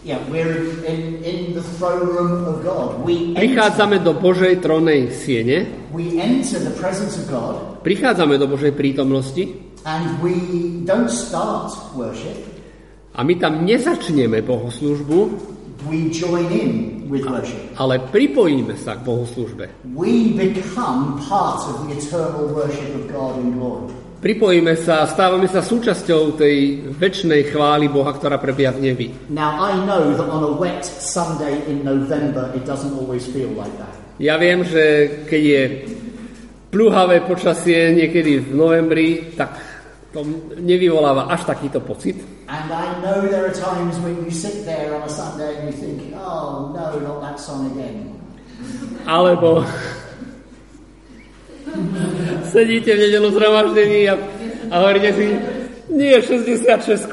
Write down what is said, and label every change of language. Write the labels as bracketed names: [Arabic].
[English] We're in the throne room of God. We [Slovak] prichádzame do Božej trónnej siene. [English] We enter the presence of God. [Slovak] Prichádzame do Božej prítomnosti. [English] And we don't start worship. [Slovak] A my tam nezačneme bohoslužbu. [English] We join in with worship. [Slovak] Ale pripojíme sa k bohoslužbe. [English] We become part of the eternal worship of God in glory. [Slovak] Pripojíme sa, stávame sa súčasťou tej večnej chvály Boha, ktorá prebieha v nebi. [English] Now I know that on a wet Sunday in November it doesn't always feel like that. [Slovak] Ja viem, že keď je pluhavé počasie niekedy v novembri, tak to nevyvoláva až takýto pocit. [English] And I know there are times when you sit there on a Sunday and you think, oh no, not that song again. [Slovak] Alebo sedíte v nedeľu zhromaždení a hovoríte si, nie, 66.